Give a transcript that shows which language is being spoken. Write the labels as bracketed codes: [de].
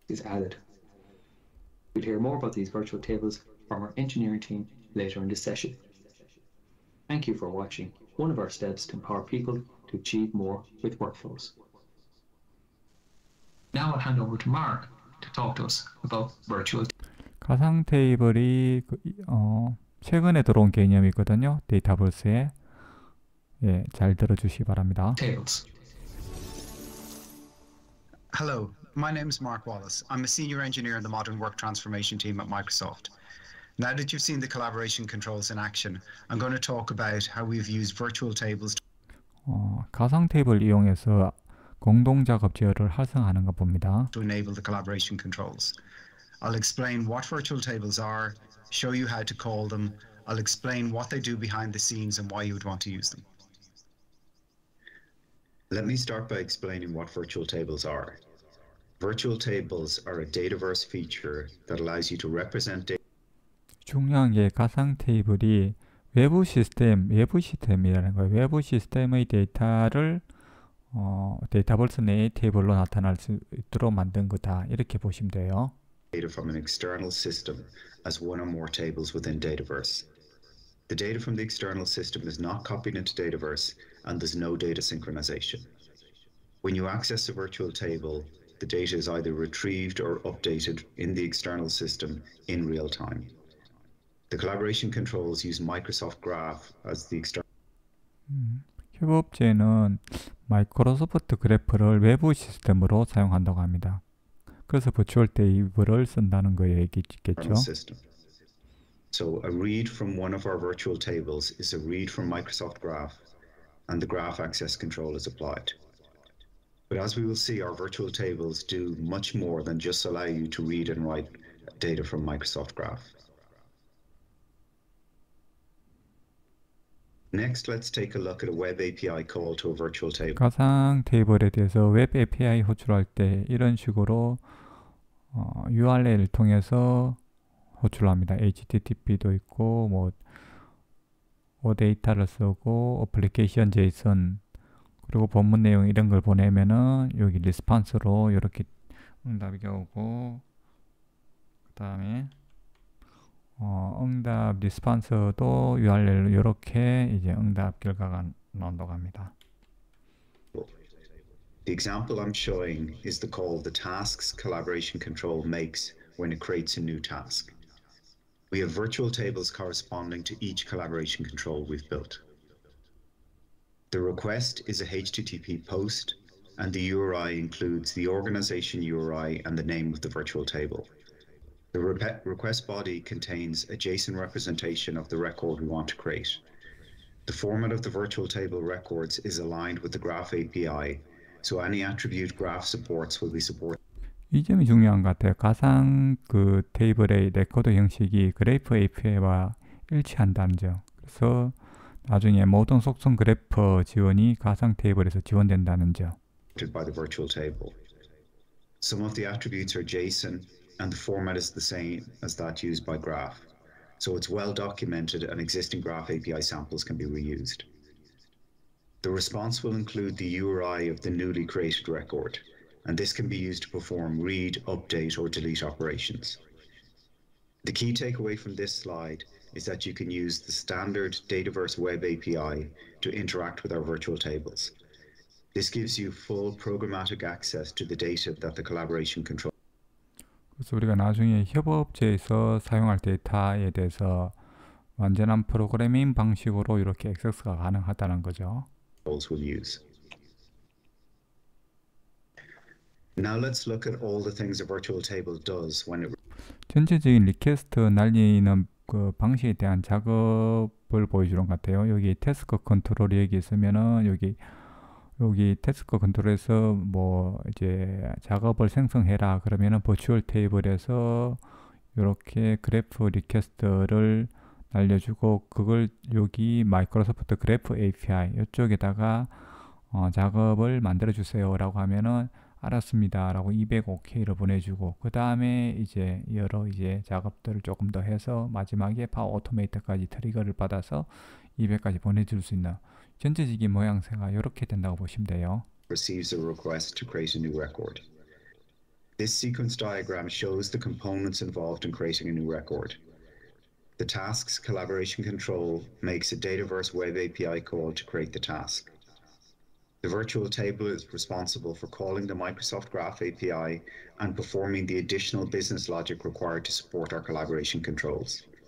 [en] Is added. We'll hear more about these virtual tables from our engineering team later in this session. Thank you for watching. One of our steps to empower people to achieve more with workflows. Now I'll hand over to Mark to talk to us about virtual. [ko] 가상 테이블이 최근에 들어온 개념이거든요. 데이터버스에 예, 잘 들어주시기 바랍니다. [en] Tables. Hello. My name is Mark Wallace. I'm a senior engineer in the Modern Work Transformation team at Microsoft. Now that you've seen the collaboration controls in action, I'm going to talk about how we've used virtual tables. [ko] 가상 테이블 이용해서 공동 작업 제어를 활성화하는 것 봅니다. [en] To enable the collaboration controls. I'll explain what virtual tables are, show you how to call them, I'll explain what they do behind the scenes and why you would want to use them. Let me start by explaining what virtual tables are. Virtual tables are a Dataverse feature that allows you to represent data. [ko] 중요한 게 가상 테이블이 외부 시스템이라는 거예요. 외부 시스템의 데이터를 데이터버스 내 테이블로 나타날 수 있도록 만든 거다. 이렇게 보시면 돼요. [en] Data from an external system as one or more tables within Dataverse. The data from the external system is not copied into Dataverse and there's no data synchronization. When you access a virtual table, the data is either retrieved or updated in the external system in real time. The collaboration controls use Microsoft Graph as the external. [ko] 협업체는 마이크로소프트 그래프를 외부 시스템으로 사용한다고 합니다. 그래서 버추얼 테이블을 쓴다는 거 얘기겠죠. [en] So a read from one of our virtual tables is a read from Microsoft Graph and the graph access control is applied. But as we will see, our virtual tables do much more than just allow you to read and write data from Microsoft Graph. Next, let's take a look at a web API call to a virtual table. [ko] 가상 테이블에 대해서 웹 API 호출할 때 이런 식으로 URL을 통해서 호출합니다. HTTP도 있고 뭐 OData를 쓰고 어플리케이션 JSON 그리고 본문 내용 이런 걸 보내면은 여기 리스폰스로 이렇게 응답이 오고 그다음에 응답 리스폰스도 URL 이렇게 이제 응답 결과가 나온다고 합니다. [en] The example I'm showing is the call the tasks collaboration control makes when it creates a new task. We have virtual tables corresponding to each collaboration control we've built. The request is a HTTP post, and the URI includes the organization URI and the name of the virtual table. The request body contains a JSON representation of the record we want to create. The format of the virtual table records is aligned with the Graph API, so any attribute Graph supports will be supported. [ko] 이 점이 중요한 것 같아요. 가상 그 테이블의 레코드 형식이 그래프 API와 일치한다는 점. 그래서 나중에 모든 속성 그래프 지원이 가상 테이블에서 지원된다는 점. [en] By the virtual table. Some of the attributes are JSON and the format is the same as that used by Graph. So it's well documented and existing Graph API samples can be reused. The response will include the URI of the newly created record. And this can be used to perform read, update, or delete operations. The key takeaway from this slide is that you can use the standard Dataverse Web API to interact with our virtual tables. This gives you full programmatic access to the data that the collaboration control. [ko] 그래서 우리가 나중에 협업체에서 사용할 데이터에 대해서 완전한 프로그래밍 방식으로 이렇게 액세스가 가능하다는 거죠. [en] We'll use. Now let's look at all the things a virtual table does when it [ko] 전체적인 리퀘스트 날리는 그 방식에 대한 작업을 보여주는 것 같아요. 여기 태스크 컨트롤 여기 있으면은 여기 태스크 컨트롤에서 뭐 이제 작업을 생성해라 그러면은 버추얼 테이블에서 이렇게 그래프 리퀘스트를 날려주고 그걸 여기 마이크로소프트 그래프 API 이쪽에다가 작업을 만들어 주세요라고 하면은 알았습니다 라고 205K를 보내주고 그 다음에 이제 여러 이제 작업들을 조금 더 해서 마지막에 파워오토메이트까지 트리거를 받아서 200까지 보내줄 수 있는 전체적인 모양새가 이렇게 된다고 보시면 돼요. [en] Receives a request to create a new record. This sequence diagram shows the components involved in creating a new record. The tasks collaboration control makes a Dataverse web API call to create the task. The virtual table is responsible for calling the Microsoft Graph API and performing the additional business logic required to support our collaboration controls.